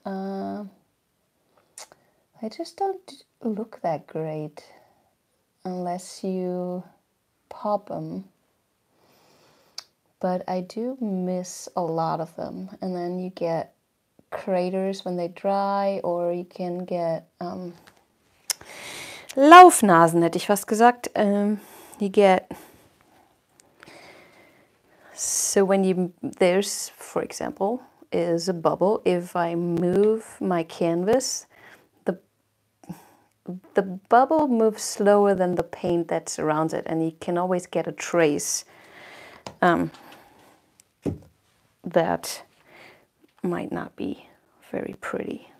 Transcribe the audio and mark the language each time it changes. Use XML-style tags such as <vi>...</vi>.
<en>They just don't look that great unless you pop them. But I do miss a lot of them. And then you get craters when they dry, or you can get</en> <de>Laufnasen, hätte ich fast gesagt.</de> <en>You get... So when you, there's, for example, is a bubble. If I move my canvas, the bubble moves slower than the paint that surrounds it, and you can always get a trace that might not be very pretty.</en>